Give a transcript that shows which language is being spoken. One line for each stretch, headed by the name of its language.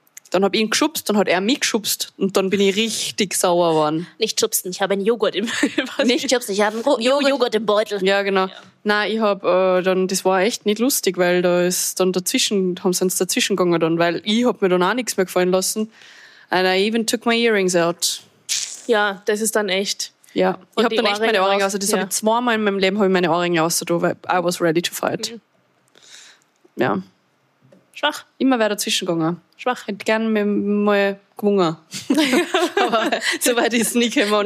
German: Dann habe ich ihn geschubst, dann hat er mich geschubst und dann bin ich richtig sauer geworden. Nicht schubsen, ich habe einen Joghurt im Beutel. Nicht schubsen, ich habe einen Joghurt im Beutel. Ja, genau. Ja. Nein, ich habe dann, das war echt nicht lustig, weil da ist dann dazwischen, haben sie uns dazwischen gegangen dann, weil ich habe mir dann auch nichts mehr gefallen lassen.
English: And I even took my earrings out.
German: Ja, das ist dann echt. Ja, und ich habe dann echt meine Ohrringe raus. Das habe ich zweimal in meinem Leben, habe ich meine Ohrringe raus, weil
English: I was ready to fight.
German: Mhm. Ja. Schwach. Immer wer dazwischen gegangen. Schwach. Hätte gerne mal gewungen. Aber so weit ist es nicht gekommen.